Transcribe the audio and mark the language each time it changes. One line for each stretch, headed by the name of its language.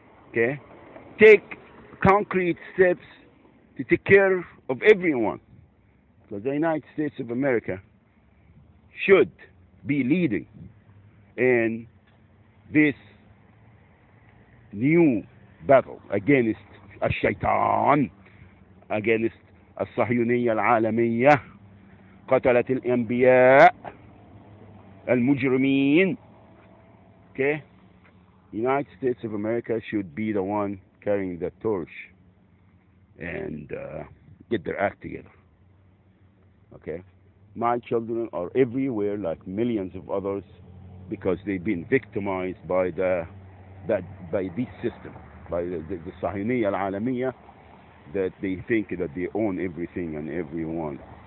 English: Okay, take concrete steps to take care of everyone, because the United States of America should be leading in this new battle against الشيطان, against
Arabic: الصهيونية العالمية قتلت الأنبياء المجرمين.
English: Okay, United States of America should be the one carrying the torch and get their act together. Okay, my children are everywhere, like millions of others, because they've been victimized by this system, by the Sahiniya al-Alamiya, that they think that they own everything and everyone.